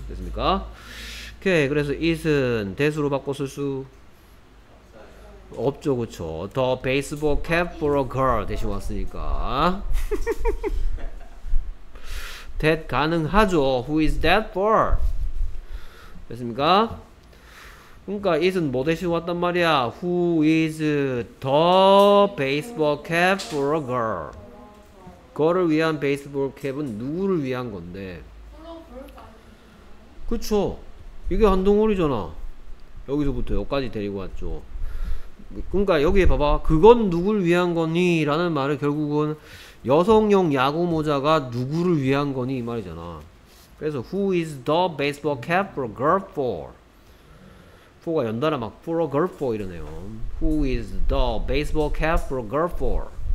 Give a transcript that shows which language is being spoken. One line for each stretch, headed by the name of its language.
Korean: 됐습니까? 오케이. 그래서 it은 that으로 바꿨을 수 없죠. 그쵸?
English: the baseball cap for a girl
Korean: 대신 왔으니까
English: that 가능하죠. who is that for?
Korean: 됐습니까? 그러니까 it은 뭐 대신 왔단 말이야?
English: who is the baseball cap for a girl?
Korean: 그거를 위한 베이스볼 캡은 누구를 위한 건데? 그쵸? 이게 한 덩어리잖아. 여기서부터 여기까지 데리고 왔죠. 그러니까 여기에 봐봐. 그건 누굴 위한 거니? 라는 말은 결국은 여성용 야구 모자가 누구를 위한 거니? 이 말이잖아. 그래서
English: who is the baseball cap for a girl for? for가
Korean: 연달아 막
English: for a girl for
Korean: 이러네요.
English: who is the baseball cap for a girl for?